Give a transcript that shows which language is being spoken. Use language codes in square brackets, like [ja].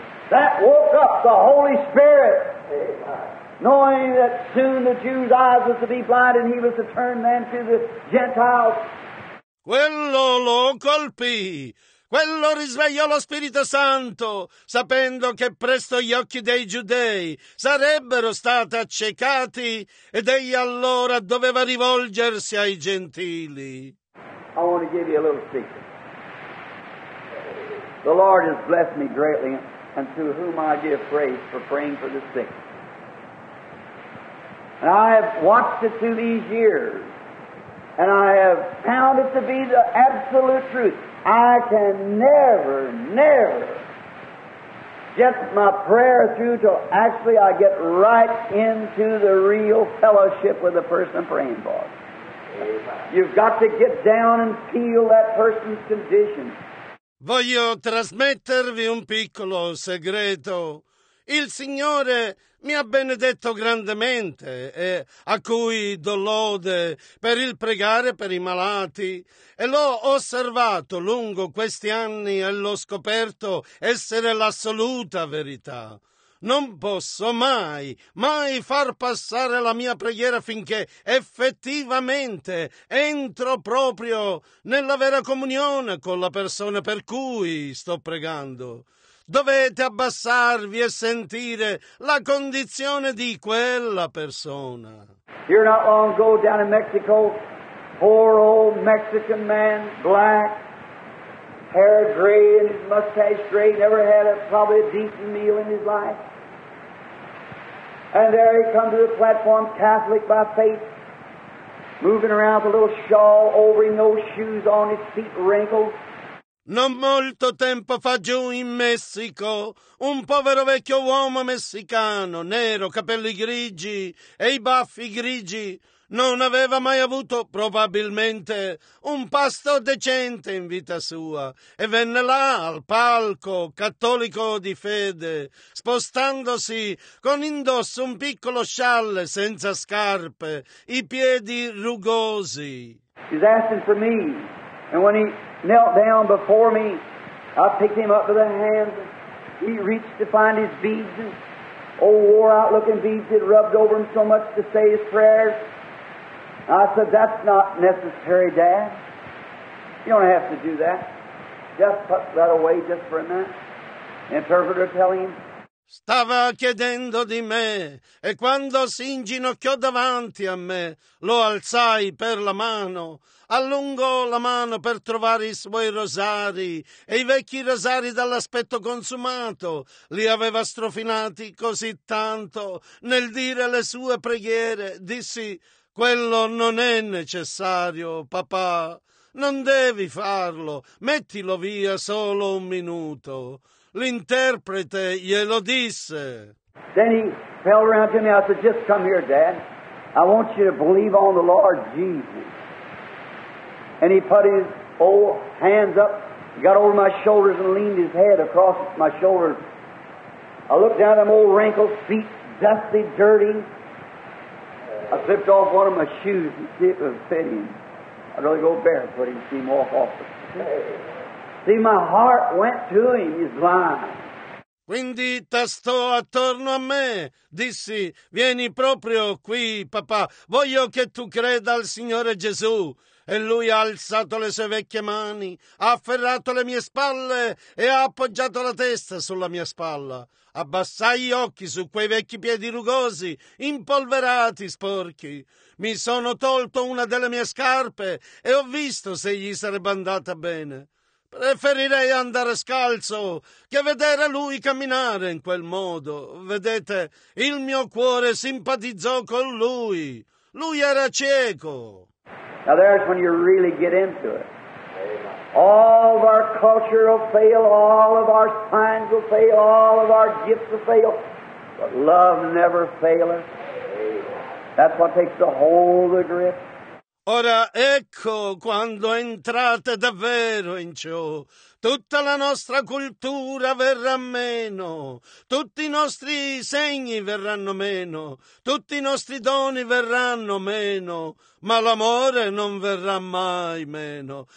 [en] That woke up the Holy Spirit, knowing that soon the Jews' eyes was to be blind and he was to turn them to the Gentiles. [it] Quello lo colpì. Quello risvegliò lo Spirito Santo, sapendo che presto gli occhi dei giudei sarebbero stati accecati ed egli allora doveva rivolgersi ai gentili. [en] I want to give you a little secret. The Lord has blessed me greatly, and to whom I give praise for praying for the sick. And I have watched it through these years, and I have found it to be the absolute truth. I can never get my prayer through till actually I get right into the real fellowship with the person I'm praying for. Amen. You've got to get down and feel that person's condition. [it] Voglio trasmettervi un piccolo segreto. Il Signore mi ha benedetto grandemente e a cui do lode per il pregare per i malati e l'ho osservato lungo questi anni e l'ho scoperto essere l'assoluta verità. Non posso mai far passare la mia preghiera finché effettivamente entro proprio nella vera comunione con la persona per cui sto pregando. Dovete abbassarvi e sentire la condizione di quella persona. [en] Here not long ago down in Mexico, poor old Mexican man, black, hair gray and his mustache gray, never had probably a decent meal in his life. And there he comes to the platform, Catholic by faith, moving around with a little shawl over him, no shoes on, his feet wrinkled. [it] Non molto tempo fa giù in Messico, un povero vecchio uomo messicano, nero, capelli grigi e i baffi grigi, non aveva mai avuto, probabilmente, un pasto decente in vita sua e venne là al palco, cattolico di fede, spostandosi con indosso un piccolo scialle senza scarpe, i piedi rugosi. [en] He's asking for me, and when he knelt down before me, I picked him up by the hand. He reached to find his beads, and old wore-out looking beads he'd rubbed over him so much to say his prayers. I said, that's not necessary, Dad. You don't have to do that. Just put that away just for a minute. The interpreter telling him. [it] Stava chiedendo di me, e quando si inginocchiò davanti a me, lo alzai per la mano. Allungò la mano per trovare i suoi rosari e i vecchi rosari dall'aspetto consumato li aveva strofinati così tanto nel dire le sue preghiere. Dissi, quello non è necessario, papà, non devi farlo, mettilo via solo un minuto. L'interprete glielo disse. [en] Then he fell around to me. I said, just come here, Dad. I want you to believe on the Lord Jesus. And he put his old hands up, got over my shoulders and leaned his head across my shoulders. I looked down at them old wrinkled feet, dusty, dirty. I zipped off one of my shoes and see if it was fitting. I'd rather go barefoot and see him walk off the stage. See, my heart went to him. He's blind. [it] Quindi tastò attorno a me, dissi, vieni proprio qui, papà, voglio che tu creda al Signore Gesù. E lui ha alzato le sue vecchie mani, ha afferrato le mie spalle e ha appoggiato la testa sulla mia spalla. Abbassai gli occhi su quei vecchi piedi rugosi, impolverati, sporchi. Mi sono tolto una delle mie scarpe e ho visto se gli sarebbe andata bene. Preferirei andare scalzo che vedere lui camminare in quel modo. Vedete, il mio cuore simpatizzò con lui. Lui era cieco. [en] Now there's when you really get into it. All of our culture will fail, all of our signs will fail, all of our gifts will fail. But love never faileth. That's what takes the whole of the grip. [it] Ora ecco quando entrate davvero in ciò, tutta la nostra cultura verrà meno, tutti i nostri segni verranno meno, tutti i nostri doni verranno meno, ma l'amore non verrà mai meno.